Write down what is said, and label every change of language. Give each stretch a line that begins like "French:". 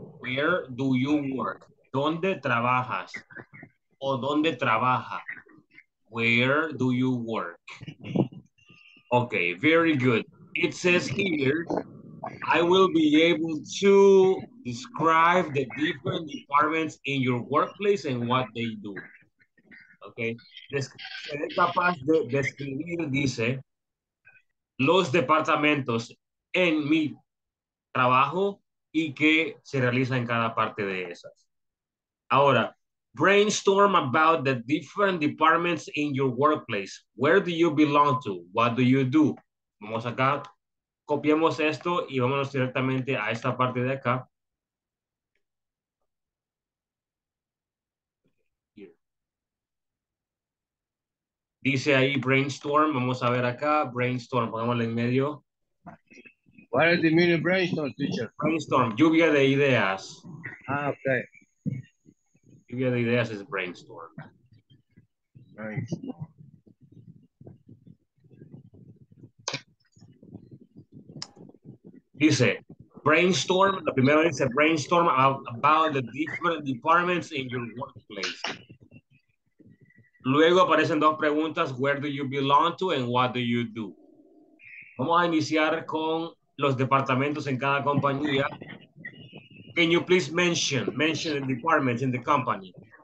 English: Where do you work?
Spanish: ¿Dónde trabajas? ¿O dónde trabaja?
English: Where do you work? Okay, very good. It says here, I will be able to describe the different departments in your workplace and what they do.
Spanish: Okay, seré capaz de describir, dice, los departamentos en mi trabajo y que se realiza en cada parte de esas.
English: Ahora, brainstorm about the different departments in your workplace. Where do you belong to? What do you do?
Spanish: Vamos acá, copiemos esto y vámonos directamente a esta parte de acá. Dice ahí brainstorm, vamos a ver acá, brainstorm, pongámoslo en medio.
English: What is the meaning of brainstorm, teacher?
Spanish: Brainstorm, lluvia de ideas.
English: Ah, okay.
Spanish: Lluvia de ideas is brainstorm.
English: Nice.
Spanish: Dice,
English: brainstorm,
Spanish: la primera dice
English: brainstorm about the different departments in your workplace.
Spanish: Luego aparecen dos preguntas,
English: where do you belong to and what do you do?
Spanish: Vamos a iniciar con los departamentos en cada compañía.
English: Can you please mention the departments in the company?